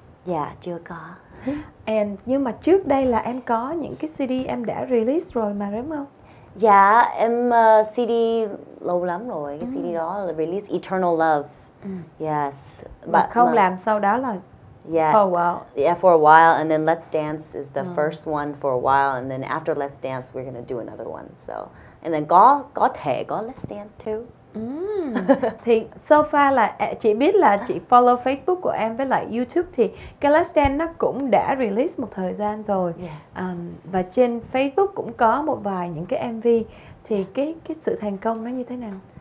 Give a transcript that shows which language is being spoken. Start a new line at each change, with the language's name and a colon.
English: Yeah,
Vietnamese: chưa có. And nhưng mà trước đây là em có những cái CD em đã release rồi mà đúng không? Yeah, em CD lâu lắm rồi. Cái CD đó là release Eternal Love.
English: Yes.
Vietnamese: But mà không làm sau đó là
English: for a while. Yeah, for a while, and then Let's Dance is the first one for a while, and then after Let's Dance, we're gonna do another one. So, and then
Vietnamese: có thể
English: Let's Dance too.
Vietnamese: Thì so far là chị biết là chị follow Facebook của em với lại YouTube thì cái Let's Dance nó cũng đã release một thời gian rồi. Và trên Facebook cũng có một vài những cái MV. Thì cái sự thành công nó như thế nào?